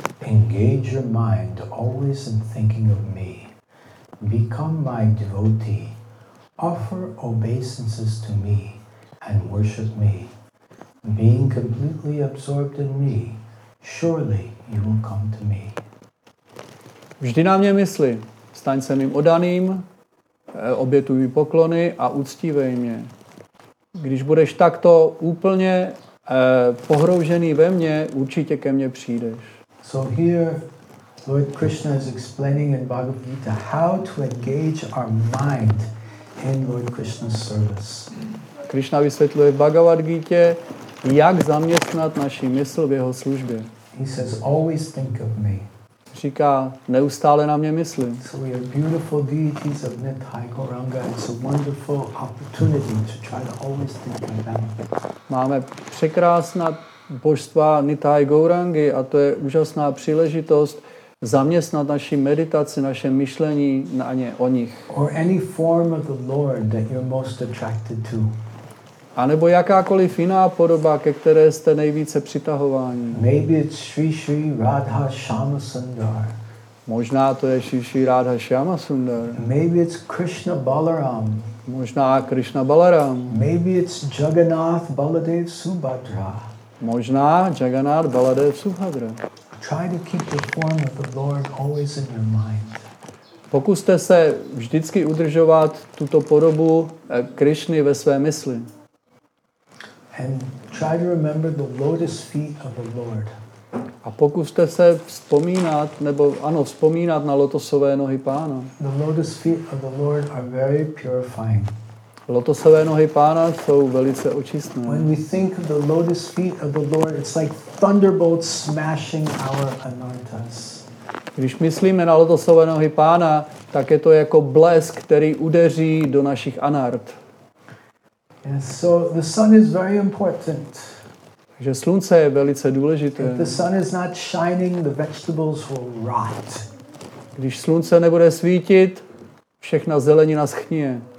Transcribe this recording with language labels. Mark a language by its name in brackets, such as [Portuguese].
[English] Engage your mind always in thinking of me. Become my devotee. Offer obeisances to me and worship me. Being completely absorbed in me, surely you will come to me. [Czech] Vždy na mě mysli. Staň se mým odaným, obětuj mi poklony a uctívej mě. Když budeš takto úplně pohroužený ve mně, určitě ke mně přijdeš. [English] So here Lord Krishna is explaining in Bhagavad Gita how to engage our mind in Lord Krishna's service. [Czech] Krishna vysvětluje v Bhagavad Gita, jak zaměstnat naši mysl v jeho službě. [English] He says, always think of me. [Czech] Říká, neustále na mě myslí. [English] So we are beautiful deities of Nithai Gauranga. It's a wonderful opportunity to try to always think of them. [Czech] Máme překrásná božstva Nithai Gaurangi a to je úžasná příležitost zaměstnat naši meditaci, naše myšlení na ně, o nich. [English] Or any form of the Lord that you're most attracted to. [Czech] A nebo jakákoliv jiná podoba, ke které jste nejvíce přitahováni. [English] Maybe it's Sri Sri Radha Shyama Sundar. [Czech] Možná to je Sri Sri Radha Shyama Sundar. [English] Maybe it's Krishna Balaram. [Czech] Možná Krishna Balaram. [English] Maybe it's Jagannath Baladev Subhadra. [Czech] Možná Jagannath Baladev Subhadra. [English] Try to keep the form of the Lord always in your mind. [Czech] Pokuste se vždycky udržovat tuto podobu Krishny ve své mysli. [English] And try to remember the lotus feet of the Lord. [Czech] A pokuste se vzpomínat, nebo ano, vzpomínat na lotosové nohy Pána. [English] The lotus feet of the Lord are very purifying. [Czech] Lotosové nohy Pána jsou velice očistné. [English] When we think of the lotus feet of the Lord, it's like thunderbolts smashing our anartas. [Czech] Když myslíme na lotosové nohy Pána, tak je to jako blesk, který udeří do našich anart. [English] And so the sun is very important. [Czech] Že slunce je velice důležité. [English] If the sun is not shining, the vegetables will rot. [Czech] Když slunce nebude svítit, všechna zelenina schnije.